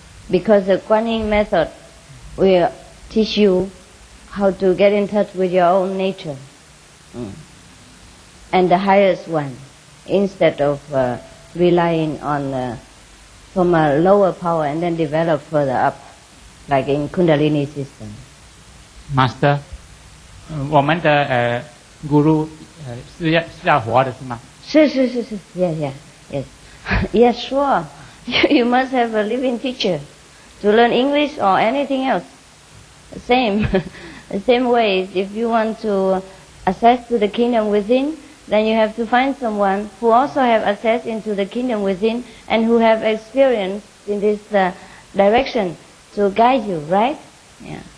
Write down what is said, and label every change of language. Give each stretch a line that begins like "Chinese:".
English: Because the Kuan Yin method will teach you how to get in touch with your own nature. And the highest one, instead of relying on from a lower power and then develop further up, like in Kundalini system.
Chinese: Master, 我们的 guru 是要活的是吗? 是，
English: yeah. Yes, sure. You must have a living teacher to learn English or anything else. Same. The same way, if you want to access to the kingdom within, then you have to find someone who also have access into the kingdom within and who have experience in this direction to guide you, right? Yeah.